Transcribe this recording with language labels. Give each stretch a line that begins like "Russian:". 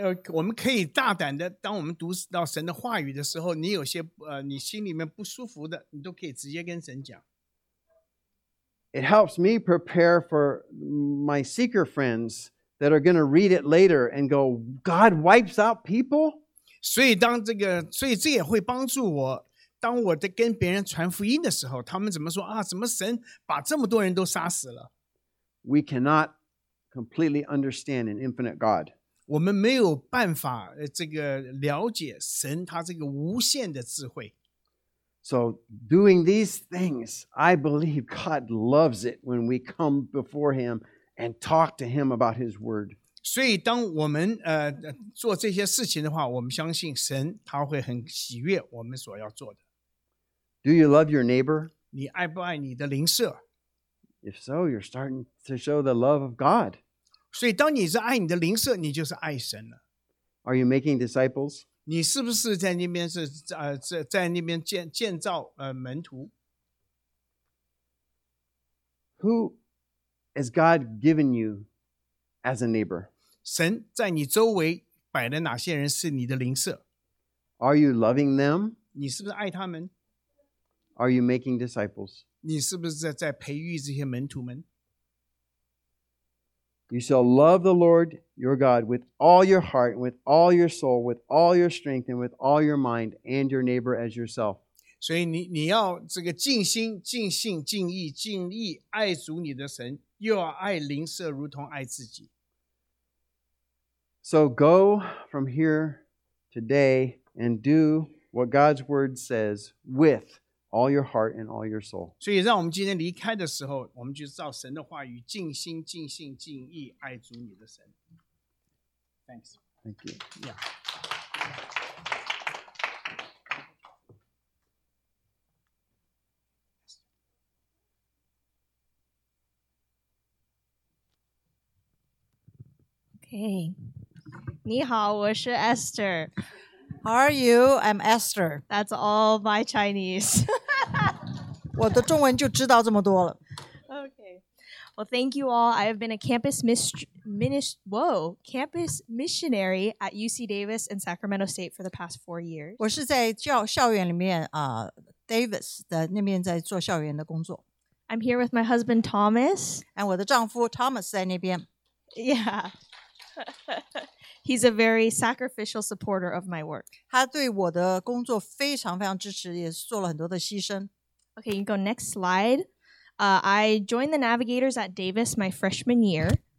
Chinese: 我们可以大胆的，当我们读到神的话语的时候，你有些你心里面不舒服的，你都可以直接跟神讲。
English: It helps me prepare for my seeker friends that are going to read it later and go, God wipes out people?
Chinese: 所以这也会帮助我。当我在跟别人传福音的时候，他们怎么说啊？怎么神把这么多人都杀死了
English: ？We cannot completely understand an infinite God.
Chinese: 我们没有办法这个了解神他这个无限的智慧。
English: So doing these things, I believe God loves it when we come before Him and talk to Him about His Word.
Chinese: 所以当我们做这些事情的话，我们相信神他会很喜悦我们所要做的。
English: Do you love your neighbor?
Chinese: 你爱不爱你的邻舍?
English: If so, you're starting to show the love of God.
Chinese: 所以当你是爱你的邻舍，你就是爱神了。
English: Are you making disciples?
Chinese: 你是不是在那边在那边建造门徒?
English: Who has God given you as a neighbor?
Chinese: 神在你周围摆的哪些人是你的邻舍?
English: Are you loving them?
Chinese: 你是不是爱他们?
English: Are you making disciples?
Chinese: 你是不是在培育这些门徒们?
English: You shall love the Lord your God with all your heart, with all your soul, with all your strength, and with all your mind, and your neighbor as yourself.
Chinese: 所以你要这个尽心、尽性、尽意爱主你的神，又要爱邻舍如同爱自己。
English: So go from here today and do what God's word says with. All your heart and all your soul.
Chinese: 所以让我们今天离开的时候，我们就照神的话语，尽心、尽性、尽意爱主你的神。
English: Thanks. Thank you. Yeah. Okay.
Chinese: 你好，我是 Esther.
English: How are you? I'm Esther. That's all my Chinese.
Chinese: 我的中文就知道这么多了。
English: Okay. Well, thank you all. I have been a campus missionary at UC Davis and Sacramento State for the past 4 years.
Chinese: 我是在校园里面Davis 的那边在做校园的工作。
English: I'm here with my husband Thomas.
Chinese: 我的丈夫 Thomas 在那边。
English: Yeah. He's a very sacrificial supporter of my work.
Chinese: 他对我的工作非常非常支持，也做了很多的牺牲。
English: Okay, you can go next slide. I joined the Navigators at Davis my freshman year.